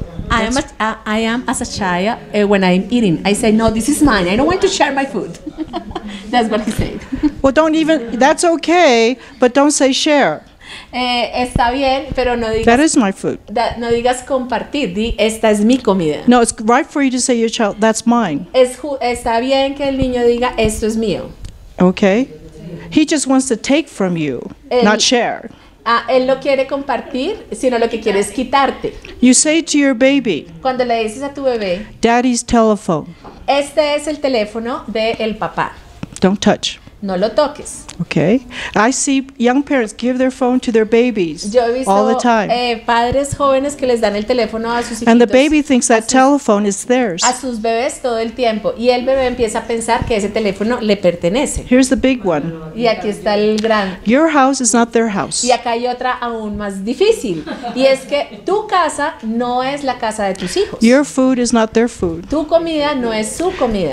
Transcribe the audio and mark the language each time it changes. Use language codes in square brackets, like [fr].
[en] I am as a child when I'm eating. I say, no, this is mine. I don't want to share my food. That's what he said. Well, don't even, that's okay, but don't say share. [es] Está bien, pero no digas. [en] That is my food. [es] No digas compartir. Di, esta es mi comida. [en] No, it's right for you to say your child. That's mine. [es] Está bien que el niño diga esto es mío. [en] Okay. He just wants to take from you, not share. [es] Él no quiere compartir, sino lo que quiere es quitarte. [en] You say to your baby. [es] Cuando le dices a tu bebé. [en] Daddy's telephone. [es] Este es el teléfono de el papá. [en] Don't touch. [es] No lo toques. [en] Okay. I see young parents give their phone to their babies all the time. [es] Yo he visto padres jóvenes que les dan el teléfono a sus hijitos. [en] And the baby thinks that telephone is theirs. [es] A sus bebés todo el tiempo. Y el bebé empieza a pensar que ese teléfono le pertenece. [en] Here's the big one. [es] Y aquí está el gran. [en] Your house is not their house. [es] Y acá hay otra aún más difícil. Y es que tu casa no es la casa de tus hijos. [en] Your food is not their food. [es] Tu comida no es su comida.